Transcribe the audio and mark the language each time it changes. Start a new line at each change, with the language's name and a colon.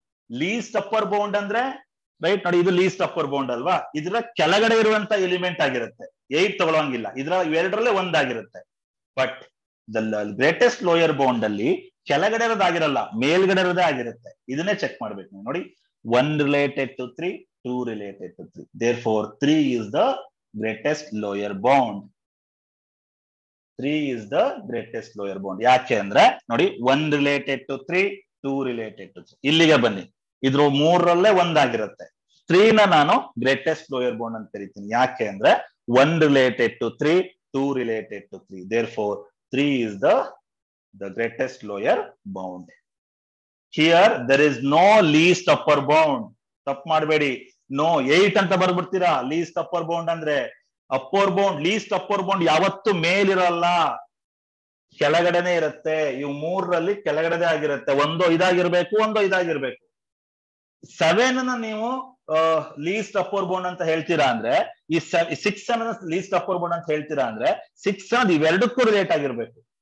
Kannada: List upper bound ಅಂದ್ರೆ right ನೋಡಿ, ಇದು ಲೀಸ್ಟ್ ಅಪ್ಪರ್ ಬೌಂಡ್ ಅಲ್ವಾ, ಇದರ ಕೆಳಗಡೆ ಇರುವಂತ ಎಲಿಮೆಂಟ್ ಆಗಿರುತ್ತೆ, 8 ತಗೊಳಂಗಿಲ್ಲ, ಇದರ ಇವೆರಡರಲ್ಲೇ ಒಂದಾಗಿರುತ್ತೆ. But the greatest lower bound ಅಲ್ಲಿ ಕೆಳಗಡೆ ಇರೋದಾಗಿರಲ್ಲ, ಮೇಲ್ಗಡೆ ಇರೋದೇ ಆಗಿರುತ್ತೆ. ಇದನ್ನೇ ಚೆಕ್ ಮಾಡ್ಬೇಕು ನೀವು ನೋಡಿ, 1 related to 3, 2 related to 3.
English: Therefore, 3 is the greatest lower bound. 3 is the greatest lower bound.
Kannada: ಯಾಕೆ ಅಂದ್ರೆ ನೋಡಿ, 1 related to 3, 2 related to 3, ಇಲ್ಲಿಗೆ ಬನ್ನಿ, ಇದ್ರ ಮೂರರಲ್ಲೇ ಒಂದಾಗಿರುತ್ತೆ. 3 ನಾನು ಗ್ರೇಟೆಸ್ಟ್ ಲೋಯರ್ ಬೌಂಡ್ ಅಂತ ಕರಿತೀನಿ.
English: ಯಾಕೆ ಅಂದ್ರೆ 1 related to 3, 2 related to 3. Therefore, 3 is the greatest lower bound. Here, there is no least upper bound.
Kannada: ತಪ್ಪು ಮಾಡಬೇಡಿ, ನೋ 8 ಅಂತ ಬರ್ಬಿಡ್ತೀರಾ. ಲೀಸ್ಟ್ ಅಪ್ಪರ್ ಬೌಂಡ್ ಅಂದ್ರೆ upper bound, list upper bound ಯಾವತ್ತು ಮೇಲಿರಲ್ಲ, ಕೆಳಗಡೆನೆ ಇರುತ್ತೆ. ಇವು ಮೂರರಲ್ಲಿ ಕೆಳಗಡೆ ಆಗಿರುತ್ತೆ, ಒಂದೋ ಇದಾಗಿರ್ಬೇಕು, ಒಂದೋ ಇದಾಗಿರ್ಬೇಕು. 7 ಅನ್ನ ನೀವು ಲೀಸ್ಟ್ ಅಪ್ಪರ್ ಬೌಂಡ್ ಅಂತ ಹೇಳ್ತೀರಾ ಅಂದ್ರೆ, ಈ 6 ಅನ್ನ ಲೀಸ್ಟ್ ಅಪ್ಪರ್ ಬೌಂಡ್ ಅಂತ ಹೇಳ್ತೀರಾ ಅಂದ್ರೆ 6 ಅನ್ನೋದು ಇವೆರಡಕ್ಕೂ ರಿಲೇಟ್ ಆಗಿರ್ಬೇಕು.